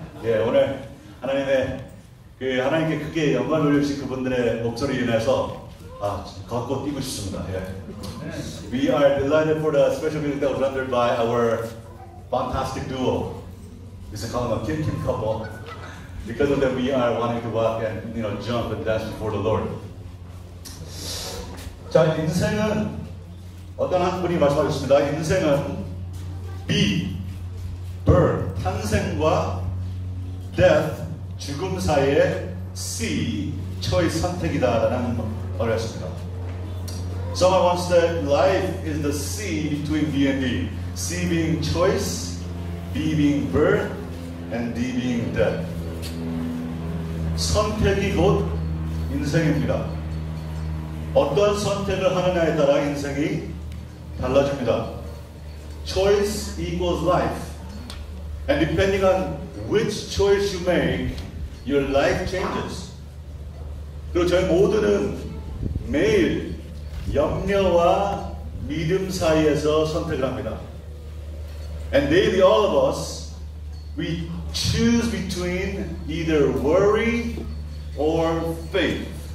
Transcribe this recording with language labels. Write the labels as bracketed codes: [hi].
[ko] 예, 오늘 하나님께 크게 영광 돌려주신 그분들의 목소리 인해서 걷고 뛰고 싶습니다. 예. [en] We are delighted for the special meeting that was rendered by our fantastic duo. It's a kind of a Kim couple. Because of that, we are wanting to walk and, you know, jump and dance before the Lord. [ko] 자, 인생은 어떤 한 분이 말씀하셨습니다. 인생은 be, birth, 탄생과 death, 죽음 사이의 see, choice, 선택이다 라는 말을 했습니다. [en] Someone once said, life is the see between B and D. See being choice, B being birth, and D being death. [ko] 선택이 곧 인생입니다. 어떤 선택을 하느냐에 따라 인생이 달라집니다. [en] Choice equals life. And depending on which choice you make, your life changes. [ko] 그리고 저희 모두는 매일 염려와 믿음 사이에서 선택을 합니다. [en] And daily, all of us, we choose between either worry or faith.